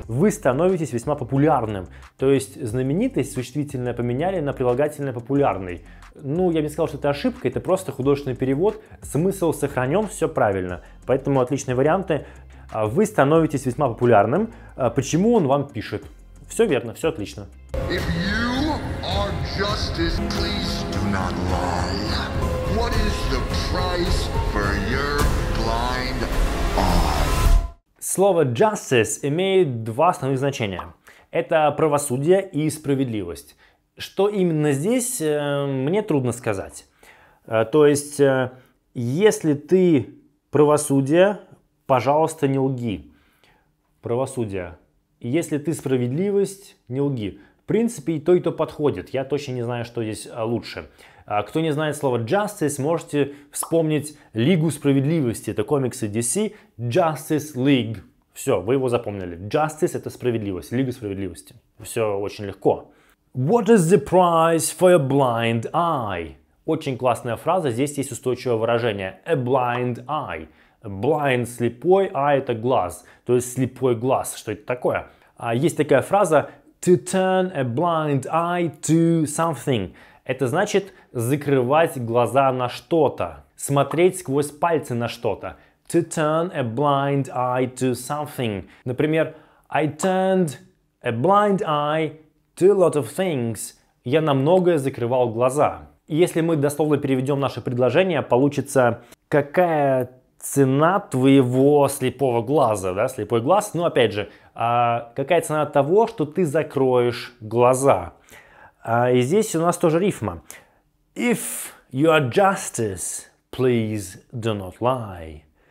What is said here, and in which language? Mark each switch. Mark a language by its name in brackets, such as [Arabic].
[Russian] Вы становитесь весьма популярным. То есть знаменитость существительное поменяли на прилагательное популярный. Ну, я бы не сказал, что это ошибка, это просто художественный перевод. Смысл сохранен, все правильно. Поэтому отличные варианты. Вы становитесь весьма популярным. Почему он вам пишет? Все верно, все отлично. [English] If you are justice, please do not lie. What is the price for your blind eye? [Russian] Слово justice имеет два основных значения. Это правосудие и справедливость. Что именно здесь, мне трудно сказать. То есть, если ты правосудие, пожалуйста, не лги. Правосудие. Если ты справедливость, не лги. В принципе, и то подходит. Я точно не знаю, что здесь лучше. Кто не знает слово justice, можете вспомнить Лигу справедливости. Это комиксы DC. Justice League. Все, вы его запомнили. Justice – это справедливость, Лига справедливости. Все очень легко. [English] What is the price for a blind eye? [Russian] Очень классная фраза, здесь есть устойчивое выражение. [English] A blind eye. Blind – [Russian] слепой, [English] eye – [Russian] это глаз. То есть слепой глаз, что это такое? Есть такая фраза [English] to turn a blind eye to something. [Russian] Это значит закрывать глаза на что-то. Смотреть сквозь пальцы на что-то. [English] To turn a blind eye to something. [Russian] Например, [English] I turned a blind eye to a lot of things. [Russian] Я на многое закрывал глаза. Если мы дословно переведем наше предложение, получится какая цена твоего слепого глаза, да, слепой глаз. Но опять же, какая цена того, что ты закроешь глаза. И здесь у нас тоже рифма. [English] If you are justice, please do not lie.